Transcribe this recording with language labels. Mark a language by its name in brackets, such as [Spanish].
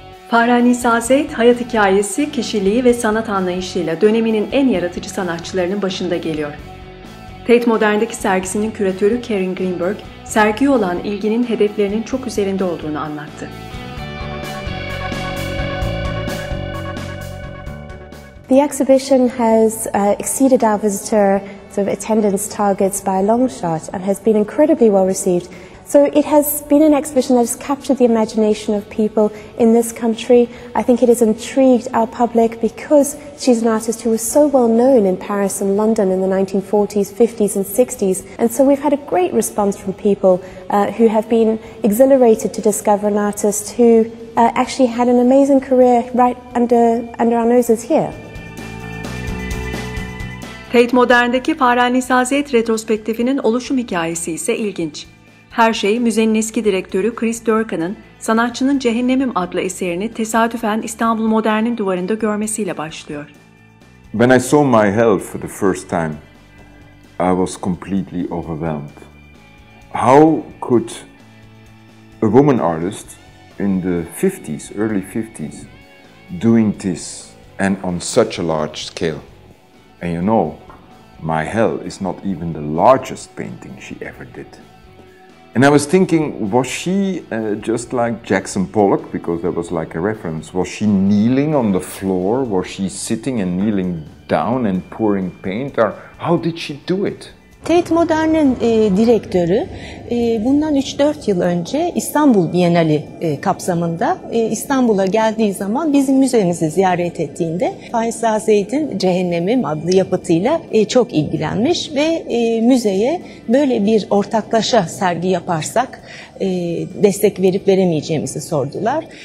[Turkish] Fahren Nisa Zeyd, hayat hikayesi, kişiliği ve sanat anlayışıyla döneminin en yaratıcı sanatçılarının başında geliyor. Tate Modern'deki sergisinin küratörü Karen Greenberg, sergiye olan ilginin hedeflerinin çok üzerinde olduğunu anlattı. [English] The exhibition has exceeded our visitor sort of attendance targets by a long shot and has been incredibly well received. So it has been an exhibition that has captured the imagination of people in this country. I think it has intrigued our public because she's an artist who was so well known in Paris and London in the 1940s, 50s and 60s. And so we've had a great response from people who have been exhilarated to discover an artist who actually had an amazing career right under our noses here. [Turkish] Tate Modern'deki Farenisa Zeyt retrospektifinin oluşum hikayesi ise ilginç. Her şey müzenin eski direktörü Chris Durkan'ın Sanatçının Cehennemim adlı eserini tesadüfen İstanbul Modern'in duvarında görmesiyle başlıyor. [English] When I saw my hell for the first time, I was completely overwhelmed. How could a woman artist in the 50s, early 50s, doing this and on such a large scale? And you know, my hell is not even the largest painting she ever did. And I was thinking, was she just like Jackson Pollock, because that was like a reference, was she kneeling on the floor? Was she sitting and kneeling down and pouring paint? Or how did she do it? [Turkish] Tate Modern'in direktörü bundan 3-4 yıl önce İstanbul Bienali kapsamında İstanbul'a geldiği zaman bizim müzemizi ziyaret ettiğinde Farenisa Zeyt'in Cehennemi adlı yapıtıyla çok ilgilenmiş ve müzeye böyle bir ortaklaşa sergi yaparsak destek verip veremeyeceğimizi sordular.